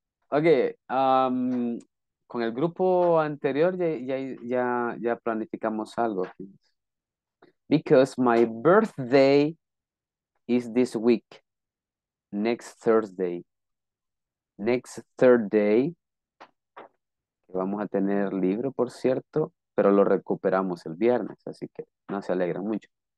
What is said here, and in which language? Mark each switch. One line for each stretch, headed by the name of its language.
Spanish: Okay, con el grupo anterior ya planificamos algo.
English: Because my birthday is this week, next Thursday. Next Thursday,
Spanish: vamos a tener libro, por cierto, pero lo recuperamos el viernes, así que no se alegra mucho.